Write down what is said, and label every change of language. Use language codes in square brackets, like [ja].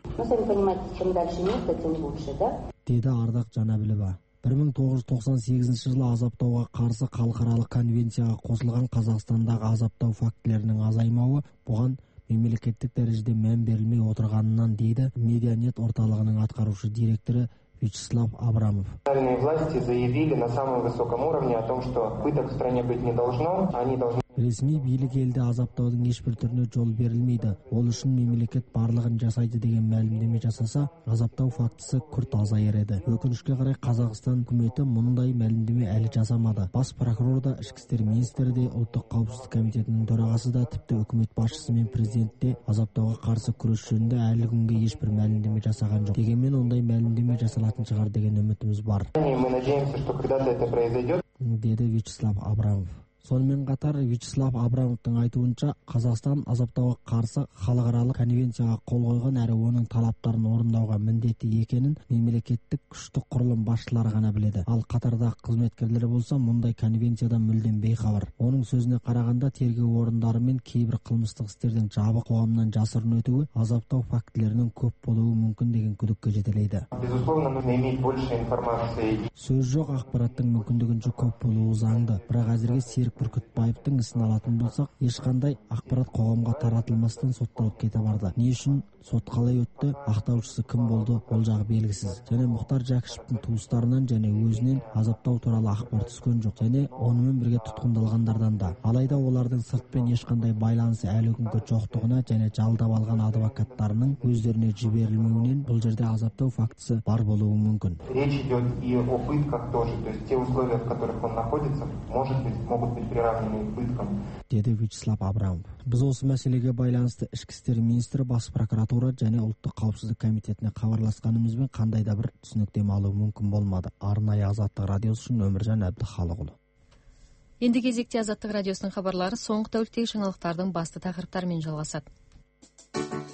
[kk] Деді Ардақ Жанәбілова. 1998 жылы азаптауға қарсы халықаралық конвенцияға қосылған Қазақстандағы азаптау фактілерінің азаймауы бұған мемлекеттік дәрежеде мән берілмей отырғанынан, дейді Медианет орталығының атқарушы директоры Вячеслав Абрамов. [ru] Власти заявили на самом высоком уровне о том, что пыток в стране быть не должно, они должны. [kk] Ресми билік елде азаптаудың ешбір түріне жол берілмейді. Ол үшін мемлекет барлығын жасайды деген мәлімдеме жасаса, азаптау фактісі күрт азаяр еді. Өкінішке қарай Қазақстан үкіметі мұндай мәлімдеме әлі жасамады. Бас прокурор да, ішкі істер министрі де, ұлттық қауіпсіздік комитетінің төрағасы да, тіпті үкімет басшысы мен президент те азаптауға қарсы күрес жөнінде әлі күнге ешбір мәлімдеме жасаған жоқ. Дегенмен ондай мәлімдеме жасалатын шығар деген үмітіміз бар. [ru] Мы надеемся, что когда-то это произойдет. [kk] Деді Вячеслав Абрамов. Сонымен қатар Вячеслав Абрамовтың айтуынша, Қазақстан азаптауға қарсы халықаралық конвенцияға қол қойған әрі оның талаптарын орындауға міндетті екенін мемлекеттік күшті құрылым басшылары ғана біледі. Ал Қатарда қызметкерлері болса, мұндай конвенциядан мүлдем бейхабар. Оның сөзіне қарағанда, тергеу орындары мен кейбір қылмыстық істердің жабық қоғамнан жасырын өтуі азаптау фактілерінің көп болуы мүмкін деген күдікке жетелейді. Сөз жоқ, ақпараттың мүмкіндігінше көп болуы заңды. Бірақ әзірге Серік Бүркітбаевтың ісін алатын болсақ, ешқандай ақпарат қоғамға таратылмастан сотталып кете барды. Не үшін сот қалай өтті, ақтаушысы кім болды, ол жағы белгісіз. Және Мұхтар Жәкішевтің туыстарынан және өзінен азаптау туралы ақпар түскен жоқ. Және онымен бірге тұтқындалғандардан да. Алайда олардың сыртпен ешқандай байланысы әлі күнге жоқтығына және жалдап алған адвокаттарының өздеріне жіберілмеуінен бұл жерде азаптау фактісі бар болуы мүмкін. [ru] Речь идет и о пытках тоже, то есть те условия, в которых он находится, может быть, могут быть приравнены к пыткам. [kk] Деді Вячеслав Абрамов. Біз осы мәселеге байланысты Ішкі істер министрі, Бас прокуратура және Ұлттық қауіпсіздік комитетіне хабарласқанымызбен қандай да бір түсініктеме алу мүмкін болмады. Арнайы Азаттық радиосы үшін Өміржан Әбдіхалықұлы. Енді кезекте Азаттық радиосының хабарлары соңғы тәуліктегі жаңалықтардың басты тақырыптарымен жалғасады.